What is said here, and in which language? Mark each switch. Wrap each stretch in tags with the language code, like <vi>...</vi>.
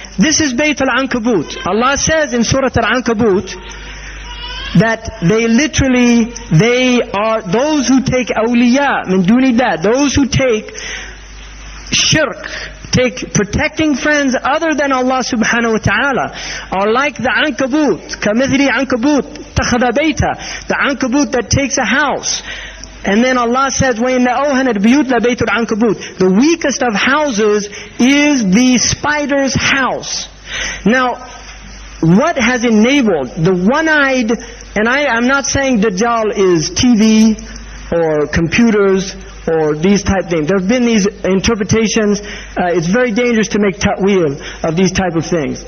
<en>This is Bayt al-Ankabut. Allah says in Surah al-Ankabut that they are those who take awliya, min duni dad, those who take shirk, take protecting friends other than Allah subhanahu wa ta'ala, are like the Ankabut, kamithri Ankabut, takhadha bayta, the Ankabut that takes a house. And then Allah says,</en> <ar>وَإِنَّ أَوْهَنَ الْبِيُوتِ لَبَيْتُ الْعَنْكَبُوتِ.</ar> <en>The weakest of houses is the spider's house. Now, what has enabled the one-eyed, and I'm not saying Dajjal is TV or computers or these type things. There have been these interpretations. It's very dangerous to make ta'wil of these type of things.</en>